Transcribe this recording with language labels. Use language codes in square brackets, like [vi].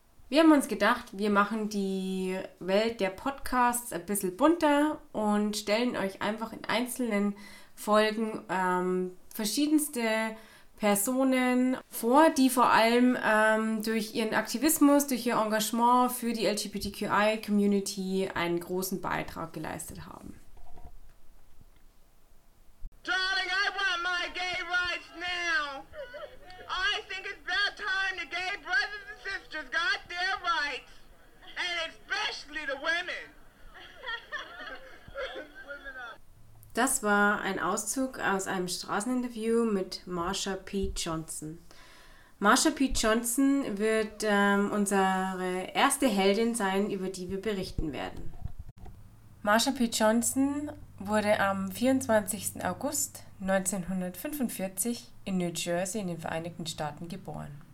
[de] Wir haben uns gedacht, wir machen die Welt der Podcasts ein bisschen bunter und stellen euch einfach in einzelnen Folgen verschiedenste Personen vor, die vor allem durch ihren Aktivismus, durch ihr Engagement für die LGBTQI-Community einen großen Beitrag geleistet haben. [en] Darling, I want my gay rights now. I think it's about time the gay brothers and sisters got their rights. And especially the women. [de] Das war ein Auszug aus einem Straßeninterview mit Marsha P. Johnson. Marsha P. Johnson wird unsere erste Heldin sein, über die wir berichten werden. Marsha P. Johnson wurde am 24. August 1945 in New Jersey in den Vereinigten Staaten geboren.